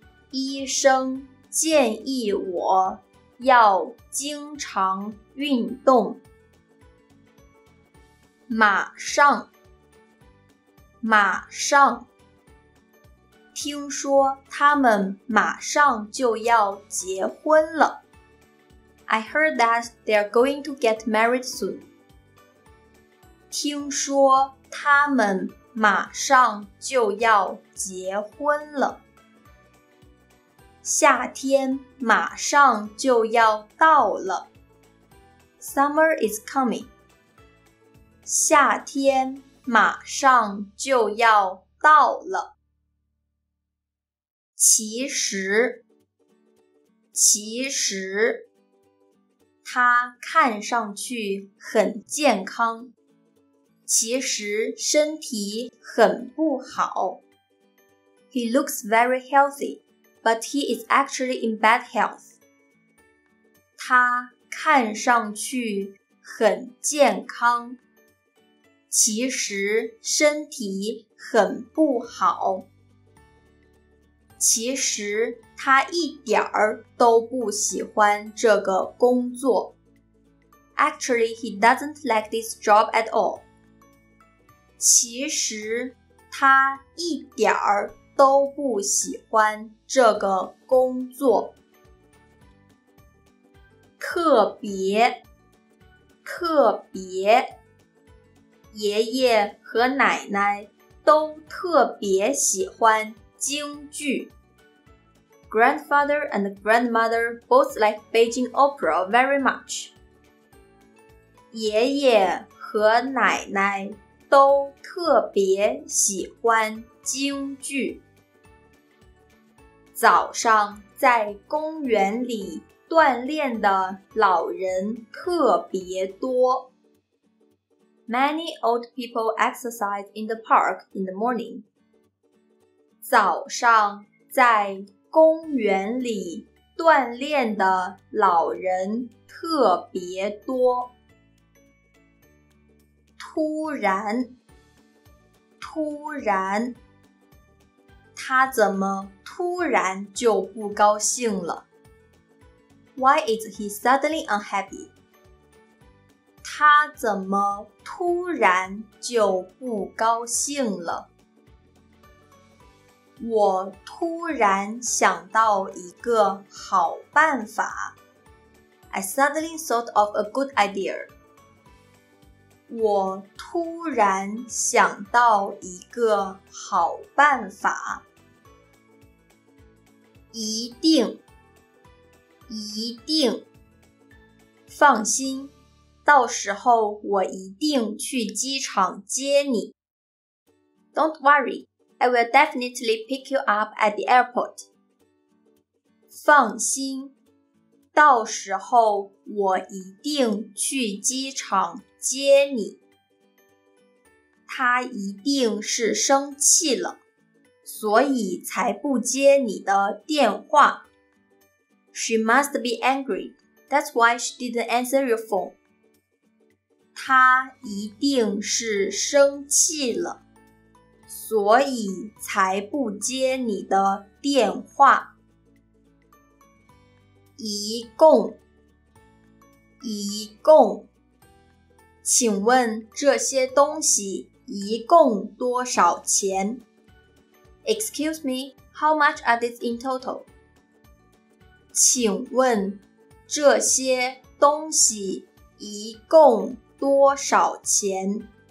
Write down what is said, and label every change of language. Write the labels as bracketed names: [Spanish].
[Chinese] 医生建议我要经常运动。马上，马上，听说他们马上就要结婚了。 [English] I heard that they are going to get married soon. [Chinese] 听说他们马上就要结婚了。夏天马上就要到了。 [English] Summer is coming. [Chinese] 夏天马上就要到了。其实，其实，他看上去很健康，其实身体很不好。 [English] He looks very healthy. But he is actually in bad health. [Chinese] 他看上去很健康，其实身体很不好。其实他一点儿都不喜欢这个工作。 [English] Actually, he doesn't like this job at all. [Chinese] 其实他一点儿都不喜欢这个工作。特别，特别。爷爷和奶奶都特别喜欢京剧。 [English] Grandfather and grandmother both like Beijing opera very much. [Chinese] 爷爷和奶奶都特别喜欢京剧。早上在公园里锻炼的老人特别多。 [English] Many old people exercise in the park in the morning. [Chinese] 早上在公园里锻炼的老人特别多。突然，突然，他怎么突然就不高兴了？ [English] Why is he suddenly unhappy? [Chinese] 他怎么突然就不高兴了？我突然想到一个好办法。 [English] I suddenly thought of a good idea. [Chinese] 我突然想到一个好办法。一定，一定。放心，到时候我一定去机场接你。 [English] Don't worry. I will definitely pick you up at the airport. [Chinese] 放心，到时候我一定去机场接你。他一定是生气了，所以才不接你的电话。 [English] She must be angry. That's why she didn't answer your phone. [Chinese] 他一定是生气了。所以才不接你的电话。一共，一共，请问这些东西一共多少钱？ [English] Excuse me, how much are these in total? [Chinese] 请问这些东西一共多少钱？